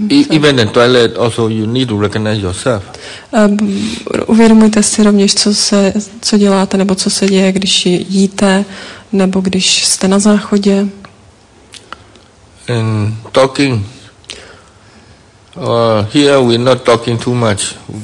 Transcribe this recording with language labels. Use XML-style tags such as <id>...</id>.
<en>Even the toilet also you need to recognize yourself.</en> <cs>Uvědomujte si rovněž, co děláte, nebo co se děje, když jíte, nebo když jste na záchodě.</cs> <en>And talking. Here we're not talking too much.</en>